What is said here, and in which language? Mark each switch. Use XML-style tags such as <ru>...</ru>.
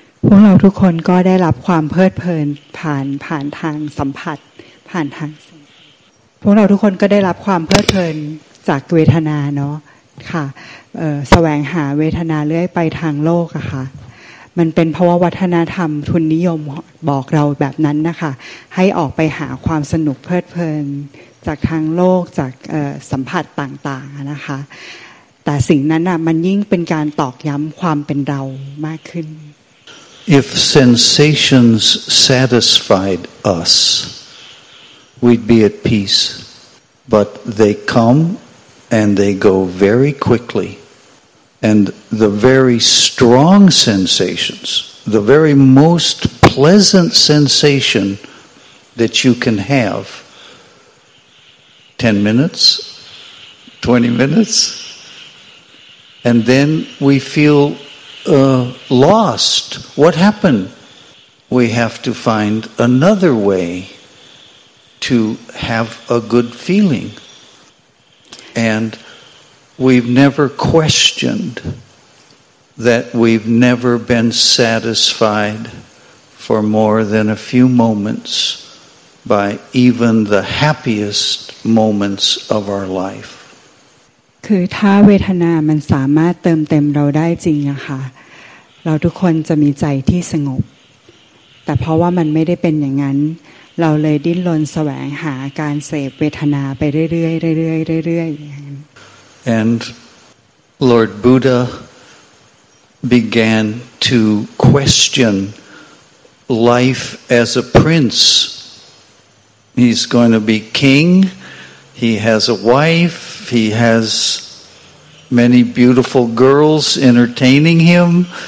<th>พวกเราทุกคนก็ได้รับความเพลิดเพลินผ่านทางสัมผัสผ่านทางเสียงพวกเราทุกคนก็ได้รับความเพลิดเพลินจากเวทนาเนาะค่ะแสวงหาเวทนาเรื่อยไปทางโลกอะค่ะมันเป็นเพราะว่าวัฒนธรรมทุนนิยมบอกเราแบบนั้นนะคะให้ออกไปหาความสนุกเพลิดเพลินจากทางโลกจากสัมผัสต่างๆนะคะแต่สิ่งนั้นน่ะมันยิ่งเป็นการตอกย้ำความเป็นเรามากขึ้น</th> <en>If sensations satisfied us we'd be at peace but they come and they go very quicklyAnd the very strong sensations, the very most pleasant sensation that you can have, 10 minutes, 20 minutes, and then we feel lost. What happened? We have to find another way to have a good feeling. And... We've never questioned that we've never been satisfied for more than a few moments by even the happiest moments of our life.</en> <th>คือถ้าเวทนามันสามารถเติมเต็มเราได้จริงอะค่ะเราทุกคนจะมีใจที่สงบแต่เพราะว่ามันไม่ได้เป็นอย่างนั้นเราเลยดิ้นรนแสวงหาการเสพเวทนาไปเรื่อยๆเรื่อยๆเรื่อยๆ</th> <en>And Lord Buddha began to question life as a prince. He's going to be king. He has a wife. He has many beautiful girls entertaining him.</en>